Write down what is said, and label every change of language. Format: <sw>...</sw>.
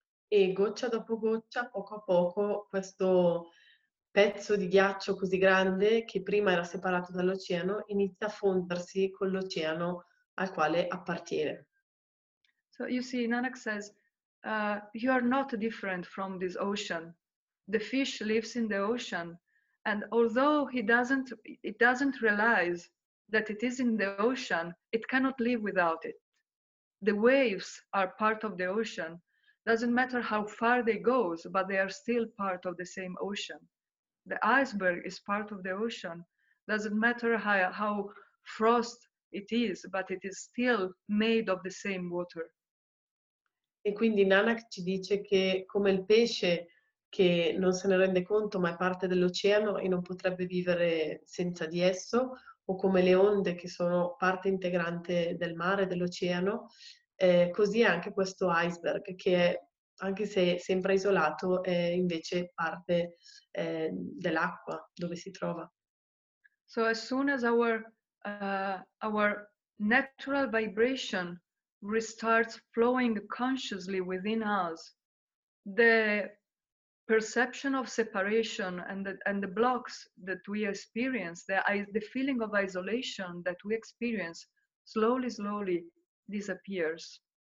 <it>E goccia dopo goccia, poco a poco, questo pezzo di ghiaccio così grande che prima era separato dall'oceano inizia a fondersi con l'oceano al quale appartiene.</it> <en>So you see, Nanak says, you are not different from this ocean. The fish lives in the ocean, and although it doesn't realize that it is in the ocean, it cannot live without it. The waves are part of the ocean. Doesn't matter how far they go, but they are still part of the same ocean. The iceberg is part of the ocean. Doesn't matter how frost it is, but it is still made of the same water.</en> <it>E quindi Nanak ci dice che come il pesce che non se ne rende conto ma è parte dell'oceano e non potrebbe vivere senza di esso, o come le onde che sono parte integrante del mare, dell'oceano, così è anche questo iceberg che è, anche se sembra isolato, è invece parte dell'acqua dove si trova.</it> <en>So as soon as our natural vibration restarts flowing consciously within us, the perception of separation and the blocks that we experience, the feeling of isolation that we experience, slowly disappears.</en>